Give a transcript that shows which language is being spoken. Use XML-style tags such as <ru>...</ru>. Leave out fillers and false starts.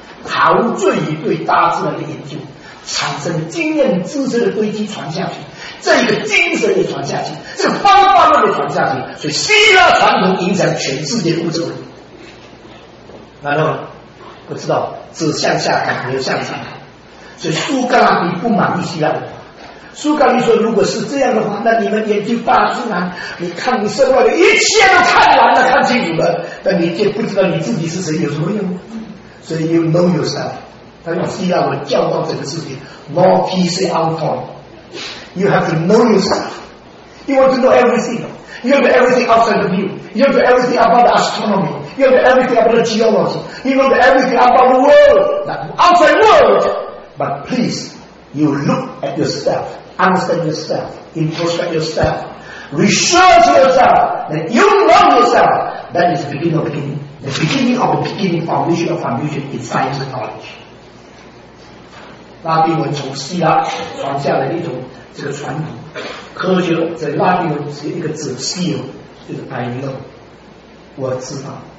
<zh>陶醉于对大自然的研究，产生经验知识的堆积传下去，这一个精神也传下去，这方法论也传下去，所以希腊传统影响全世界的物质文明。难道？不知道，只向下看，没有向上看。所以苏格拉底不满意希腊文化。苏格拉底说：“如果是这样的话，那你们研究大自然，你看你身外的一切都看完了，看清楚了，但你却不知道你自己是谁，有什么用？所以</zh> <en>you know yourself。”</en> <zh>他用希腊文教导这个事情</zh> <en>：“Know yourself, you have to know yourself. You want to know everything. You have everything outside of you. You have everything about the astronomy.” You know everything about the geology. You know everything about the world, the outside world. But please, you look at yourself, understand yourself, introspect yourself, research yourself, that you know yourself. That is the beginning of the beginning. The beginning of the beginning, foundation of foundation in science and knowledge.</en> <zh>拉丁文从希腊传下来的一种这个传统，科学在拉丁文是一个字 ，seo， 就是</zh> <en>I know，</en> <zh>我知道。</zh>